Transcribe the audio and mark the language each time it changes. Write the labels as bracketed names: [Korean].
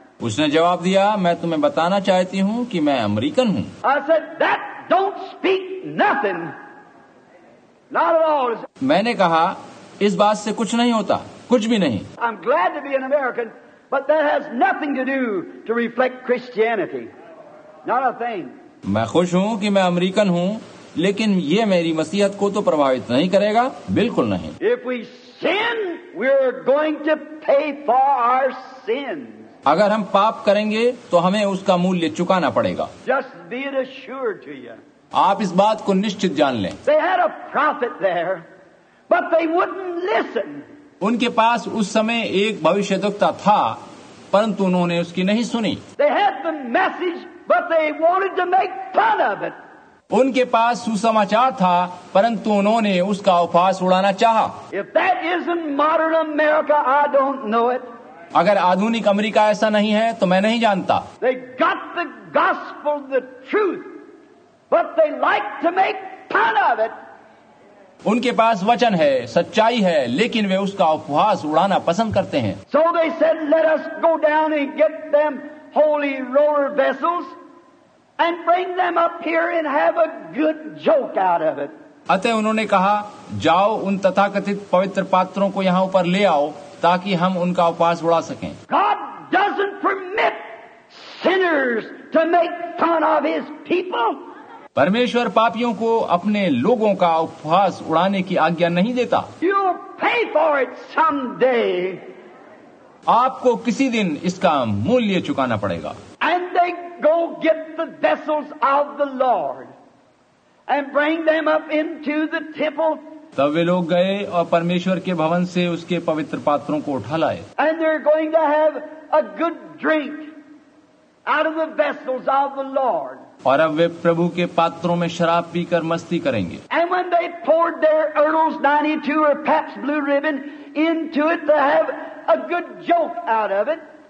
[Hindi] उसने जवाब दिया, मैं तुम्हें बताना चाहती हूँ कि मैं अमेरिकन हूँ. [English] I said, that don't speak nothing. Not at all. [Hindi] मैंने कहा, इस बात से कुछ नहीं होता, कुछ भी नहीं. [English] I'm glad to be an American, but that has nothing to do to reflect Christianity. Not a thing. [Hindi] मैं खुश हूँ कि मैं अमेरिकन हूँ, लेकिन ये मेरी मसीहत को तो प्रभावित नहीं करेगा, बिल्कुल नहीं. [English] If we sin, we're going to pay for our sins. [Hindi] अगर हम पाप करेंगे तो हमें उसका मूल्य चुकाना पड़ेगा. [English] Just be assured to you. [Hindi] आप इस बात को निश्चित जान लें. [English] They had a prophet there, but they wouldn't listen. [Hindi] उनके पास उस समय एक भविष्यद्वक्ता था, परंतु उन्होंने उसकी नहीं सुनी. [English] They had the message, but they wanted to make fun of it. [Hindi] उनके पास सुसमाचार था, परंतु उन्होंने उसका उपहास उड़ाना चाहा. [English] If that isn't modern America, I don't know it. [Hindi] अगर आधुनिक अमेरिका ऐसा नहीं है तो मैं नहीं जानता. [English] They got the gospel, the truth, but they like to make fun of it. [Hindi] उनके पास वचन है, सच्चाई है, लेकिन वे उसका उपहास उड़ाना पसंद करते हैं. [English] So they said, let us go down and get them holy roller vessels and bring them up here and have a good joke out of it. [Hindi] अतः उन्होंने कहा, जाओ उन तथाकथित पवित्र पात्रों को यहाँ ऊपर ले आओ, ताकि हम उनका उपहास उड़ा सकें. [English] God doesn't permit sinners to make fun of his people. [Hindi] परमेश्वर पापियों को अपने लोगों का उपहास उड़ाने की आज्ञा नहीं देता. [English] You'll pay for it someday. [Hindi] आपको किसी दिन इसका मूल्य चुकाना पड़ेगा. [English] And they go get the vessels of the Lord and bring them up into the temple. [Hindi] तब वे लोग गए और परमेश्वर के भवन से उसके पवित्र पात्रों को उठा लाए. [English] And they're going to have a good drink out of the vessels of the Lord. [Hindi] और अब वे प्रभु के पात्रों में शराब पीकर मस्ती करेंगे. [English] And when they poured their Earl's 92 or Pabst Blue Ribbon into it, they have a good joke out of it.